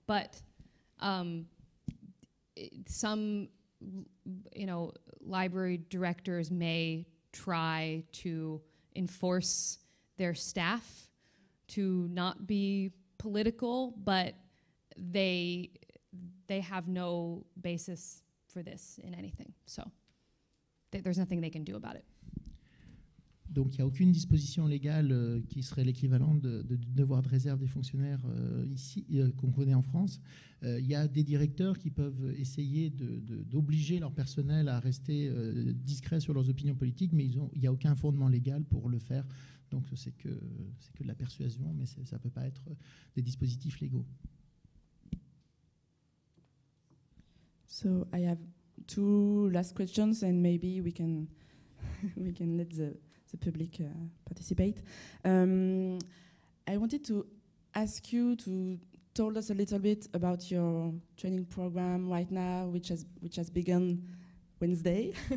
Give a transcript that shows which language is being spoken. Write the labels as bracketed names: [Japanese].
[English] But some, you know, library directors may try to enforce their staff to not be political, but they have no basis for this in anything. So there's nothing they can do about it. [French] Donc, il n'y a aucune disposition légale qui serait l'équivalent de devoir de réserve des fonctionnaires qu'on connaît en France. Il y a des directeurs qui peuvent essayer d'obliger leur personnel à rester discret sur leurs opinions politiques, mais il n'y a aucun fondement légal pour le faire. Donc, c'est que de la persuasion, mais ça ne peut pas être des dispositifs légaux. [English] So, I have two last questions, and maybe we can let the public participate. I wanted to ask you to tell us a little bit about your training program right now, which has begun Wednesday.